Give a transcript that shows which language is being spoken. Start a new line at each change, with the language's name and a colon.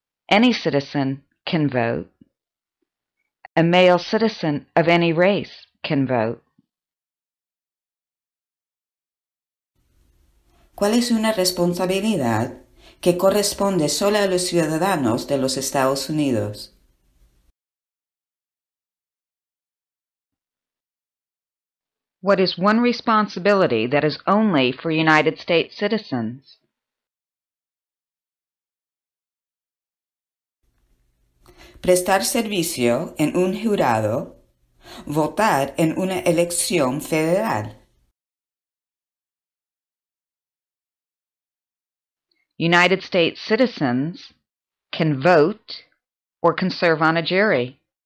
English: Any citizen can vote. A male citizen of any race can vote.
Spanish: ¿Cuál es una responsabilidad que corresponde solo a los ciudadanos de los Estados Unidos?
English: What is one responsibility that is only for United States citizens?
Spanish: Prestar servicio en un jurado, votar en una elección federal.
English: United States citizens can vote or can serve on a jury.